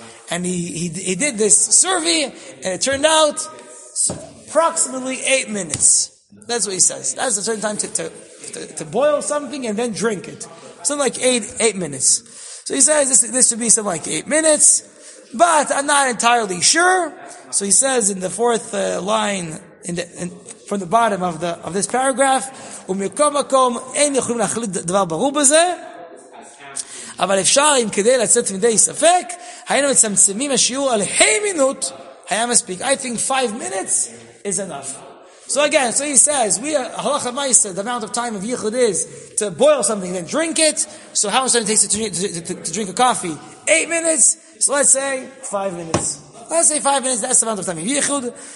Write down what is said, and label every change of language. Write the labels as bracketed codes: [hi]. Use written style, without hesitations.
[en] And he did this survey and it turned out approximately 8 minutes. That's what he says. That's a certain time to boil something and then drink it. Something like eight minutes. So he says this would be something like 8 minutes. But I'm not entirely sure. So he says in the fourth line, from the bottom of the of this paragraph, [he] ומקום מקום אין יכולים להחליט דבר ברור בזה, אבל אפשר אם כדי לצאת מדי ספק, היינו מצמצמים השיעור על הימינות, היה מספיק. [en] I think 5 minutes is enough. So again, so he says, [he] we halacha ma'isa, [en] the amount of time of yichud is to boil something and then drink it. So how much time it takes to drink a coffee? 8 minutes. So let's say 5 minutes. Let's say 5 minutes, that's the amount of time of yichud.